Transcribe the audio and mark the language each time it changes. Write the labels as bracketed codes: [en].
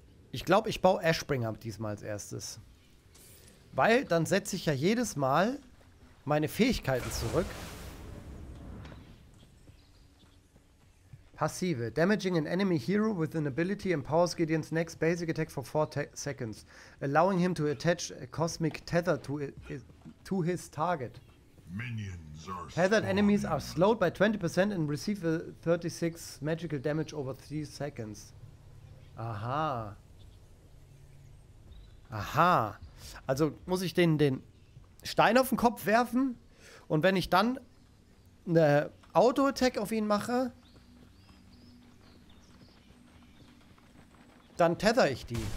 [de] Ich glaube, ich baue Ashbringer diesmal als erstes. Weil dann setze ich ja jedes Mal meine Fähigkeiten zurück. [en] Passive. Damaging an enemy hero with an ability empowers Gideon's next basic attack for 4 seconds. Allowing him to attach a cosmic tether to his target. Minions are tethered spawning. Enemies are slowed by 20% and receive a 36 magical damage over 3 seconds. Aha. Aha. [de] Also muss ich den Stein auf den Kopf werfen und wenn ich dann eine Auto-Attack auf ihn mache, dann tether ich die.